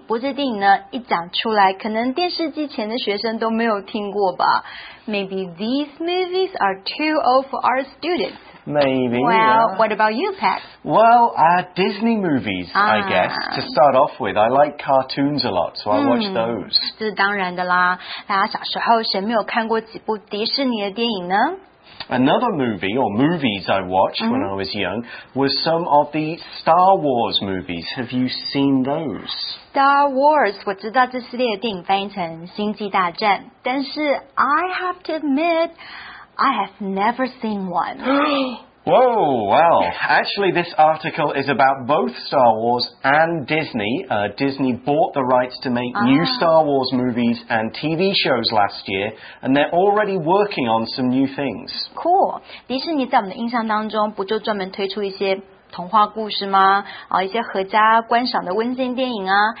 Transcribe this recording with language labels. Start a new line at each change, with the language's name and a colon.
Chinese: 不过这电影呢，一讲出来，可能电视机前的学生都没有听过吧。
English: Maybe these movies are too old for our students. Maybe. Well, what about you, Pat? Well, Disney movies, I guess, to start off with. I like cartoons a lot, so I watch those.
Chinese: 这是当然的啦。大家小时候谁没有看过几部迪士尼的电影呢？
English: Another movie or movies I watched when I was young was some of the Star Wars movies. Have you seen those?
Chinese: Star Wars, 我知道这系列的电影翻译成星际大战，但是
English: I have to admit, I have never seen one. Whoa, well, actually this article is about both Star Wars and Disney. Disney bought the rights to make new Star Wars movies and TV shows last year, and they're already working on some new things. Cool.
Chinese: 迪士尼在我们的印象当中不就专门推出一些童话故事吗？一些合家观赏的温馨电影啊。